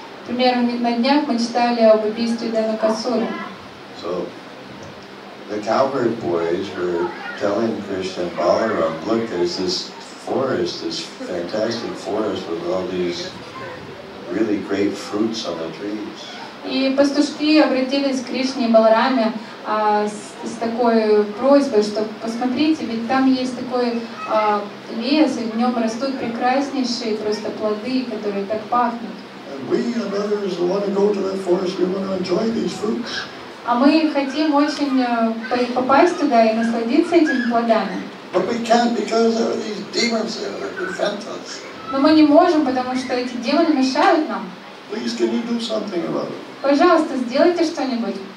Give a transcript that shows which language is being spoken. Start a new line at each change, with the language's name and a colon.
Russian: Например, на днях мы читали об убийстве Деинакасуры.
English: So, the cowherd boys were telling Krishna and Balaram, look, there's this forest, this fantastic forest with all these really great fruits on the trees.
Russian: И пастушки обратились к Кришне и Балараме с такой просьбой, что посмотрите, ведь там есть такой лес, и в нем растут прекраснейшие просто плоды, которые так пахнут.
English: And we and others want to go to that forest. We want to enjoy these fruits.
Russian: А мы хотим очень попасть туда и насладиться этими плодами.
English: But we can't because there are these demons that are prevent us.
Russian: Но мы не можем, потому что эти демоны мешают нам.
English: Please, can you do something about it?
Russian: Пожалуйста, сделайте что-нибудь.